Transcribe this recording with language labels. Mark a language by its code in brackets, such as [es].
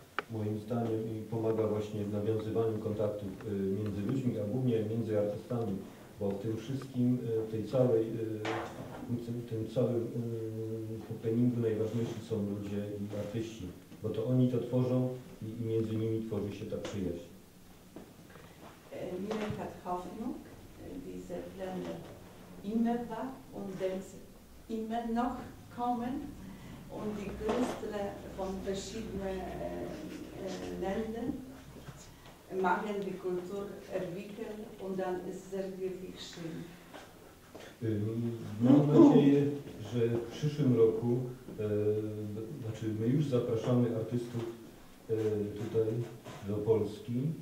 [pl] Moim zdaniem i pomaga właśnie w nawiązywaniu kontaktów między ludźmi, a głównie między artystami, bo w tym wszystkim, w tym całym happeningu najważniejsi są ludzie i artyści, bo to oni to tworzą i między nimi tworzy się ta przyjaźń. [de] Mir hat Hoffnung, diese Pläne immer war und denkt immer noch kommen. Und die Künstler von verschiedenen Ländern machen die Kultur entwickeln und dann ist es wirklich schön. [pl] Mam nadzieję, że w przyszłym roku, znaczy my już zapraszamy artystów tutaj do Polski.